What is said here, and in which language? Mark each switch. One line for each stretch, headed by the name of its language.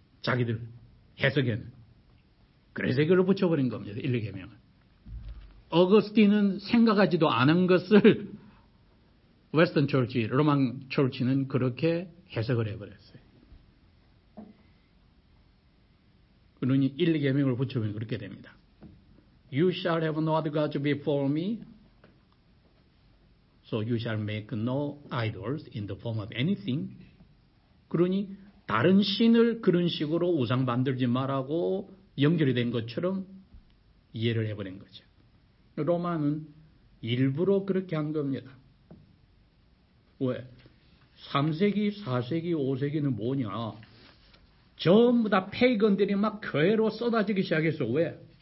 Korean: 자기들 해석에는. 그래서 이걸 붙여버린 겁니다. 1계명을. 어거스틴은 생각하지도 않은 것을 웨스턴 철치, 로만 철치는 그렇게 해석을 해버렸어요. 그러니 1계명을 붙여보면 그렇게 됩니다.
English: You shall have no other gods before me. So you shall make no idols in the form of anything.
Korean: 그러니 다른 신을 그런 식으로 우상 만들지 말라고 연결이 된 것처럼 이해를 해버린 거죠. 로마는 일부러 그렇게 한 겁니다. 왜? 3세기, 4세기, 5세기는 뭐냐? 전부 다 페이건들이 막 교회로 쏟아지기 시작했어. 왜?